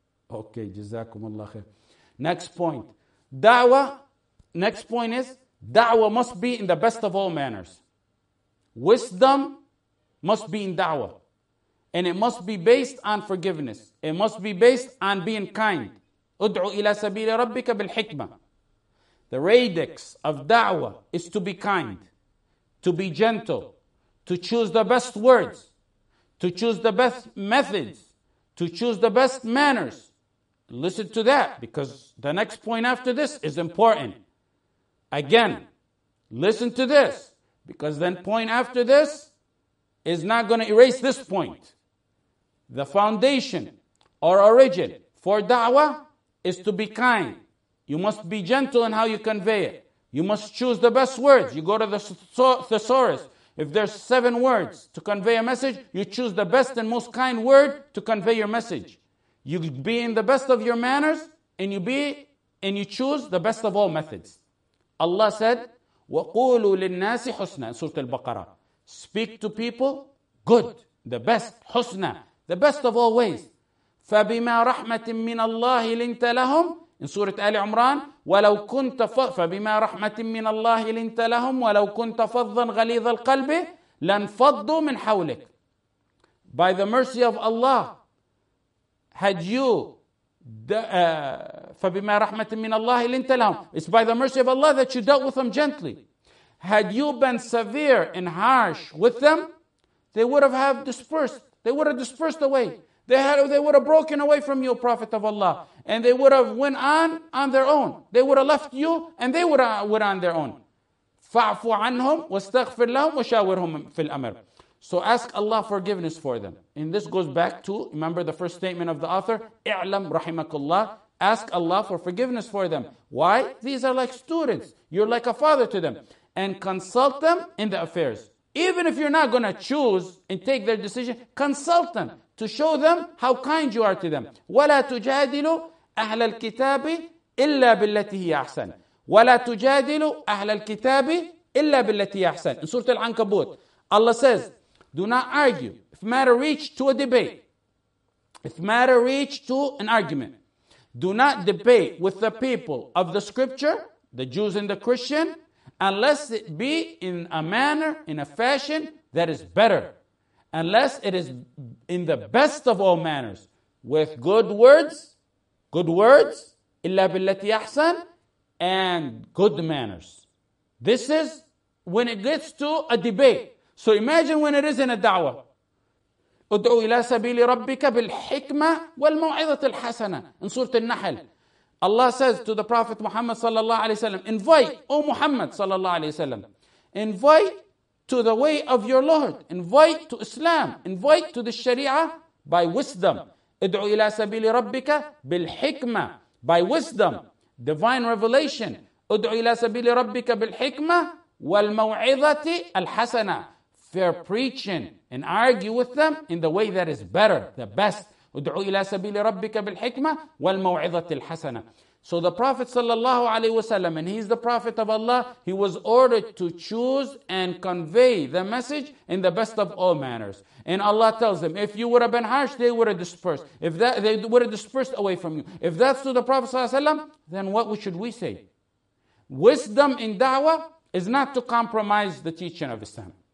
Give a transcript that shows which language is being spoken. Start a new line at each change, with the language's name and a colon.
English: Okay, jazakumullah khair. Next point. Da'wah. Next point is da'wah must be in the best of all manners. Wisdom must be in da'wah. And it must be based on forgiveness. It must be based on being kind.
Arabic: ادعو إلى سبيل ربك بالحكمة.
English: The radix of da'wah is to be kind, to be gentle, to choose the best words, to choose the best methods, to choose the best manners. Listen to that, because the next point after this is important. Again, listen to this, because then point after this is not going to erase this point. The foundation or origin for da'wah is to be kind. You must be gentle in how you convey it. You must choose the best words. You go to the thesaurus. If there's 7 words to convey a message, you choose the best and most kind word to convey your message. You be in the best of your manners, and you choose the best of all methods. Allah said,
Arabic: وَقُولُوا لِلنَّاسِ حُسْنًا Surah Al-Baqarah.
English: Speak to people good, the best, husna. The best of all ways.
Arabic: فَبِمَا رَحْمَةٍ مِّنَ اللَّهِ لِنْتَ لَهُمْ In Surah Ali Imran, وَلَوْ كُنْتَ فَبِمَا رَحْمَةٍ مِّنَ اللَّهِ لِنْتَ لَهُمْ وَلَوْ كُنْتَ فَضًّا غَلِيظَ الْقَلْبِ لَنْفَضُّوا مِنْ حَوْلِكَ
English: By the mercy of Allah, had you...
Arabic: فَبِمَا رَحْمَةٍ مِّنَ اللَّهِ لِنْتَ لَهُمْ
English: It's by the mercy of Allah that you dealt with them gently. Had you been severe and harsh with them, they would have dispersed. They would have dispersed away. They would have broken away from you, Prophet of Allah. And they would have went on their own. They would have left you, and they would have went on their own.
Arabic: فَعْفُ عَنْهُمْ وَاسْتَغْفِرْ لَهُمْ وَشَاوِرْهُمْ فِي الْأَمْرِ
English: So ask Allah forgiveness for them. And this goes back to, remember the first statement of the author,
Arabic: اِعْلَمْ رَحِمَكُ اللَّهِ
English: Ask Allah for forgiveness for them. Why? These are like students. You're like a father to them. And consult them in the affairs. Even if you're not going to choose and take their decision, consult them to show them how kind you are to them.
Arabic: وَلَا تُجَادِلُوا أَهْلَ الْكِتَابِ إِلَّا بِالَّتِي هِيَ أَحْسَنِ
English: وَلَا تُجَادِلُوا أَهْلَ الْكِتَابِ إِلَّا بِالَّتِي هِيَ أَحْسَنِ In Surah Al-Ankabut, Allah says, do not argue if matter reach to a debate, if matter reach to an argument. Do not debate with the people of the scripture, the Jews and the Christian, unless it be in a manner, in a fashion that is better. Unless it is in the best of all manners. With good words,
Arabic: إِلَّا بِالَّتِي أَحْسَنِ
English: and good manners. This is when it gets to a debate. So imagine when it is in a da'wah.
Arabic: أُدْعُوا إِلَى سَبِيلِ رَبِّكَ بِالْحِكْمَةِ وَالْمَوْعِظَةِ الْحَسَنَةِ In Surah Al-Nahl.
English: Allah says to the Prophet Muhammad sallallahu alaihi wasallam, invite, O Muhammad sallallahu alaihi wasallam, invite to the way of your Lord, invite to Islam, invite to the Sharia by wisdom.
Arabic: ادعو إلى سبيل ربك بالحكمة
English: by wisdom, divine revelation.
Arabic: ادعو إلى سبيل ربك بالحكمة والموعظة الحسنة.
English: Fair preaching and argue with them in the way that is better, the best.
Arabic: ادعو إلى سبيل ربك بالحكمة والموعظة الحسنة.
English: So the Prophet صلى الله عليه وسلم, and he's the Prophet of Allah, he was ordered to choose and convey the message in the best of all manners. And Allah tells him, if you would have been harsh, they would have dispersed. If that, they would have dispersed away from you. If that's to the Prophet صلى الله عليه وسلم, then what should we say? Wisdom in da'wah is not to compromise the teaching of Islam.